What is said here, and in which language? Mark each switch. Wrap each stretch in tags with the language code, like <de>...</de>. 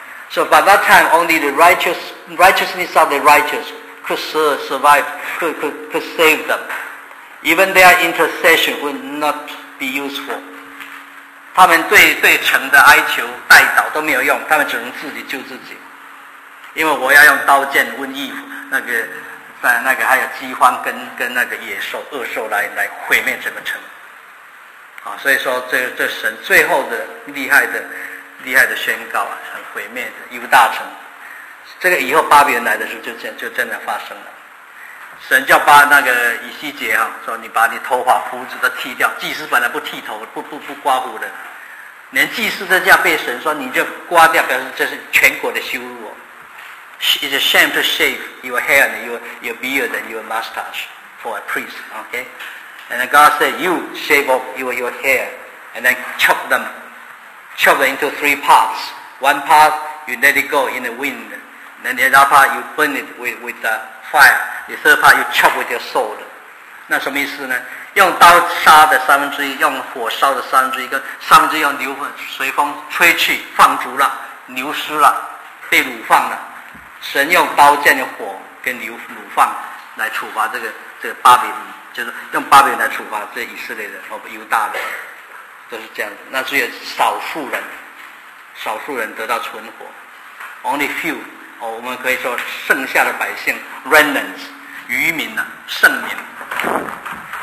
<en>So by that time only the righteousness of the righteous could save them。 Even their intercession would not be useful.</en> <zh>他们对城的哀求、代祷都没有用，他们只能自己救自己。因为我要用刀剑、瘟疫、那个还有饥荒跟那个野兽、恶兽来毁灭整个城。啊，所以说这神最后的厉害的宣告啊，很毁灭的犹大城。这个以后巴比伦来的时候就真的发生了。神叫把那个以西结啊，说你把你头发胡子都剃掉，祭司本来不剃头不刮胡的，连祭司都这样被神说你就刮掉，表示这是全国的羞辱。</zh> <en>It's a shame to shave your hair and your beard and your mustache for a priest, okay? And God said you shave off your hair and then chop them into three parts. One part you let it go in the wind, And the other part you burn it with the fire. The third part you chop with your sword.</en> <zh>那什么意思呢？用刀杀的三分之一，用火烧的三分之一，跟三分之一用牛粪随风吹去，放逐了，牛尸了，被掳放了。神用刀剑的火跟牛掳放来处罚这个巴比伦，就是用巴比伦来处罚这以色列人和犹大人，都是这样子。那只有少数人，少数人得到存活 ，</zh> <en>only few，</en> <zh>哦，我们可以说剩下的百姓 ，</zh> <en>remnants，</en> <zh>渔民呢，圣民。</zh>